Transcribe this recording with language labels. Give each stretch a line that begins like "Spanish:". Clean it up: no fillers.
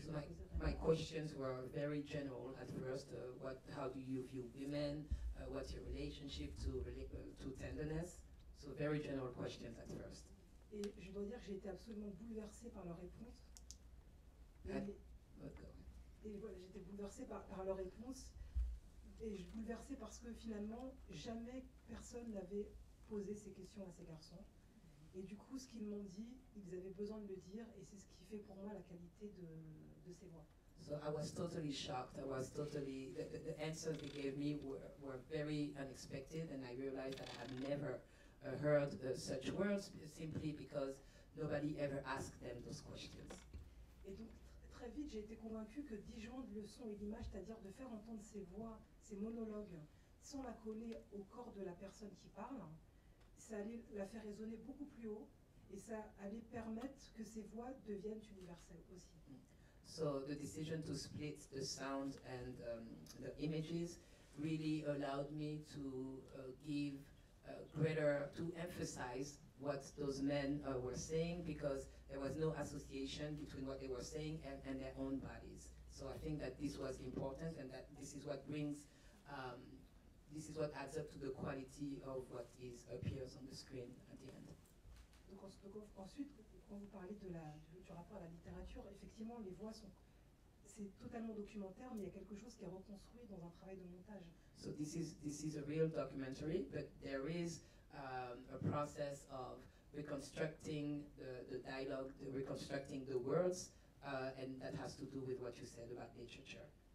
English: so my questions were very general at first. How do you view women? What's your relationship to tenderness? So very general questions at first.
French: Et je dois dire que j'ai été absolument bouleversée par leurs réponses. Et voilà, j'étais bouleversée par leurs réponses, et je bouleversée parce que finalement jamais personne n'avait posé ces questions à ces garçons. Et du coup, ce qu'ils m'ont dit, ils avaient besoin de le dire, et c'est ce qui fait pour moi la qualité de ces voix.
English: So I was totally shocked. I was totally the answers they gave me were very unexpected, and I realized that I had never heard such words simply because nobody ever asked them those questions.
French: Et donc très vite, j'ai été convaincue que disjoindre le son et l'image, c'est-à-dire de faire entendre ces voix, ces monologues, sans la coller au corps de la personne qui parle, ça allait la faire résonner beaucoup plus haut, et ça allait permettre que ces voix deviennent universelles aussi.
English: So the decision to split the sound and the images really allowed me to give greater, to emphasize what those men were saying, because there was no association between what they were saying and their own bodies. So I think that this was important, and that this is what brings, this is what adds up to the quality of what is appears on the screen at the end.
French: Ensuite, quand vous parlez de la, du rapport à la littérature, effectivement, les voix sont, c'est totalement documentaire, mais il y a quelque chose qui est reconstruit dans un travail de montage.
English: So this is a real documentary, but there is a process of reconstructing the dialogue, the reconstructing the words, and that has to do with what you said about literature.